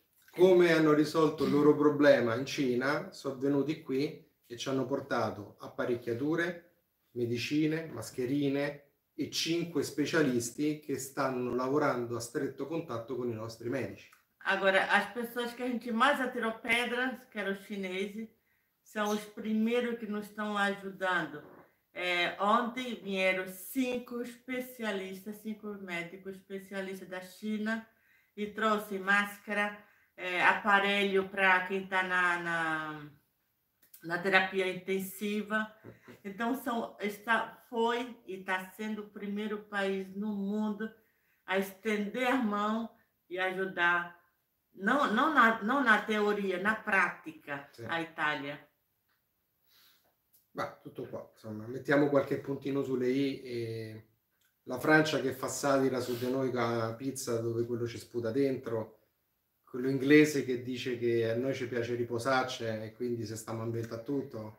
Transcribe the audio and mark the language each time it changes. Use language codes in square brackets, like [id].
[it] Come hanno risolto il loro problema in Cina, sono venuti qui e ci hanno portato apparecchiature, medicine, mascherine e 5 specialisti che stanno lavorando a stretto contatto con i nostri medici. [pt] Agora, as pessoas que a gente mais atirou pedras, que eram os chineses, são os primeiros que nos estão ajudando. Ontem vieram 5 especialistas, 5 médicos especialistas da China e trouxe máscara, aparelho para quem está na terapia intensiva. Então está sendo o primeiro país no mundo a estender a mão e ajudar, não na teoria, na prática, sim, a Itália. [it] Bah, tutto qua, insomma, mettiamo qualche puntino sulle i. E la Francia che fa satira su di noi con la pizza dove quello ci sputa dentro. Quello inglese che dice che a noi ci piace riposarci e quindi se stiamo inventando tutto.